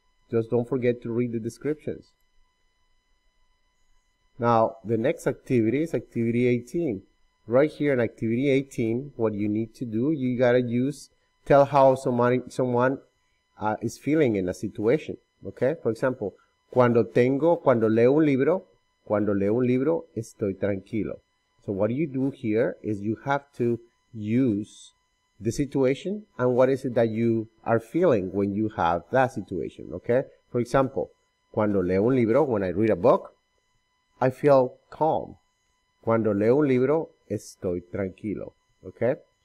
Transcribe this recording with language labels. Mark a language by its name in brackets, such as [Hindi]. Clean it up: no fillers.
[English] Just don't forget to read the descriptions. Now, the next activity is activity 18. Right here in activity 18, what you need to do, you gotta tell how someone is feeling in a situation. Okay? For example, [Spanish] cuando leo un libro, estoy tranquilo. [English] So what you do here is you have to use the situation and what is it that you are feeling when you have that situation. Okay? For example, [Spanish] cuando leo un libro, [English] when I read a book, I feel calm. [Spanish] Cuando leo un libro, estoy tranquilo. Okay?